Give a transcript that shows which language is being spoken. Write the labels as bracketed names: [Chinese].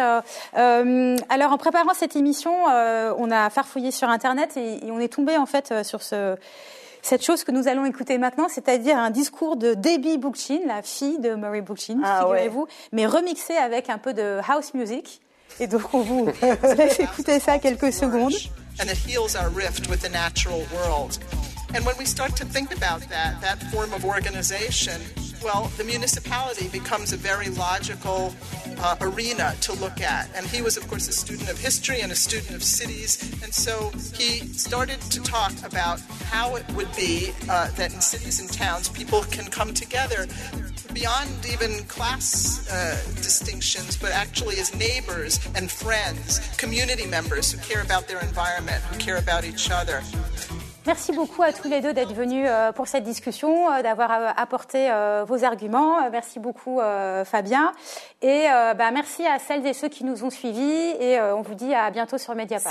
[French] Alors, en préparant cette émission, on a farfouillé sur Internet et on est tombé, en fait, sur cette chose que nous allons écouter maintenant, c'est-à-dire un discours de Debbie Bouchine, la fille de Murray Bouchine, figurez-vous, mais remixé avec un peu de house music. Et donc, on vous laisse écouter ça quelques secondes. [English] And it heals our rift with the natural world. And when we start to think about that form of organization, well, the municipality becomes a very logical arena to look at. And he was, of course, a student of history and a student of cities. And so he started to talk about how it would be that in cities and towns, people can come together beyond even class distinctions, but actually as neighbors and friends, community members who care about their environment, who care about each other. [French] Merci beaucoup à tous les deux d'être venus pour cette discussion, d'avoir apporté vos arguments. Merci beaucoup Fabien. Et merci à celles et ceux qui nous ont suivis. Et on vous dit à bientôt sur Mediapart.